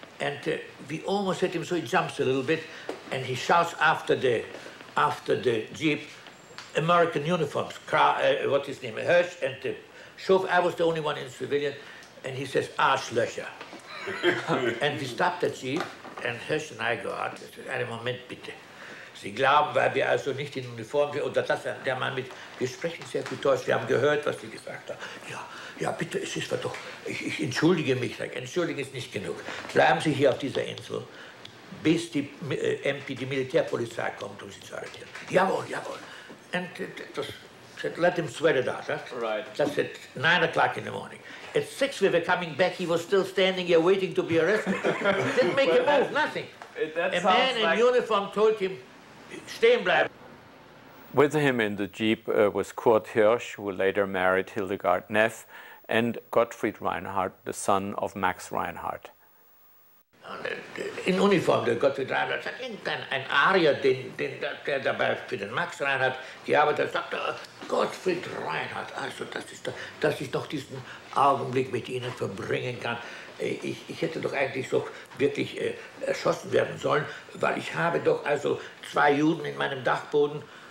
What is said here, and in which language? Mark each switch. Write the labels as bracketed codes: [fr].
[en] And we almost hit him, so he jumps a little bit, and he shouts after the jeep, American uniforms, Hirsch and the Schof. I was the only one in civilian, and he says, Arschlöcher. And we stopped the jeep, and Hirsch and I go out. I said, [de] einen Moment bitte. Sie glauben, weil wir also nicht in Uniform sind, oder das, der Mann mit, wir sprechen sehr gut Deutsch, wir haben gehört, was Sie gesagt haben. Ja, bitte, es ist doch, ich entschuldige mich, entschuldigen ist nicht genug. Bleiben Sie hier auf dieser Insel, bis die MP, die Militärpolizei kommt, um Sie zu arretieren. Jawohl. [en] And said, let him sweat it out, huh? Right. That's at 9 o'clock in the morning. At 6 we were coming back, he was still standing here waiting to be arrested. Didn't make a move, nothing. A man in uniform told him, [de] stehen bleiben. [en] With him in the jeep was Kurt Hirsch, who later married Hildegard Neff, and Gottfried Reinhardt, the son of Max Reinhardt. In uniform, [de] der Gottfried Reinhardt sagt, irgendein Arier, der dabei für den Max Reinhardt gearbeitet hat, sagt, Gottfried Reinhardt, also dass ich doch diesen Augenblick mit Ihnen verbringen kann. Ich hätte doch eigentlich so wirklich erschossen werden sollen, weil ich habe doch also zwei Juden in meinem Dachboden.